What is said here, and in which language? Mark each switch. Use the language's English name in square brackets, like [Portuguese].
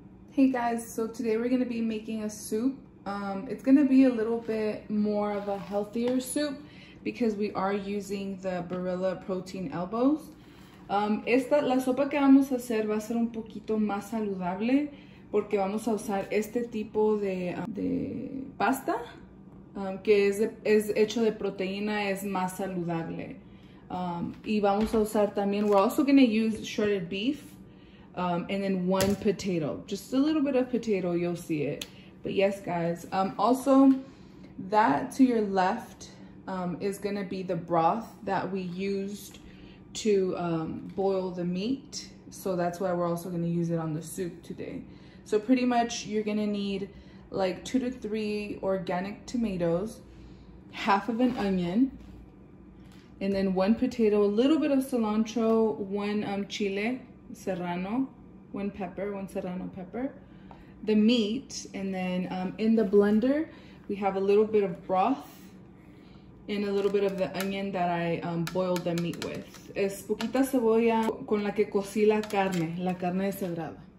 [English] Hey guys, so today we're gonna be making a soup. It's gonna be a little bit more of a healthier soup because we are using the Barilla protein elbows. [Spanish] La sopa que vamos a hacer va a ser un poquito más saludable porque vamos a usar este tipo de pasta que es hecho de proteína, es más saludable. Y vamos a usar también, [English] we're also gonna use shredded beef. And then one potato, just a little bit of potato, you'll see it. But yes, guys, also that to your left is gonna be the broth that we used to boil the meat. So that's why we're also gonna use it on the soup today. So pretty much you're gonna need like 2 to 3 organic tomatoes, half of an onion, and then one potato, a little bit of cilantro, one chile serrano, one pepper, one serrano pepper, the meat, and then in the blender, we have a little bit of broth and a little bit of the onion that I boiled the meat with. [Spanish] Es poquita cebolla con la que cocí la carne deshebrada.